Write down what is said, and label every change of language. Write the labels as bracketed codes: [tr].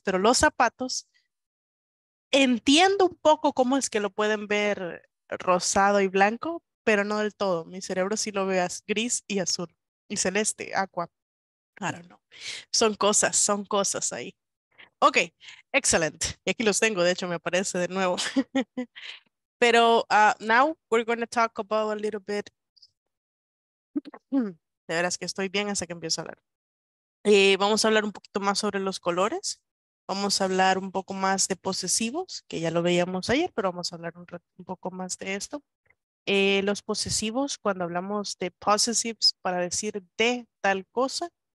[es] Pero los zapatos, entiendo un poco cómo es que lo pueden ver rosado y blanco, pero no del todo. Mi cerebro sí lo ve gris y azul y celeste, aqua. [en] I don't know. [es] Son cosas ahí. Ok, excelente. Y aquí los tengo, de hecho, me aparece de nuevo. Pero [en] now we're going to talk about a little bit. [es] De veras que estoy bien hasta que empiezo a hablar. Vamos a hablar un poquito más sobre los colores. Vamos a hablar un poco más de posesivos, que ya lo veíamos ayer, pero vamos a hablar un poco más de esto. Los posesivos, cuando hablamos de possessives, para decir de tal cosa.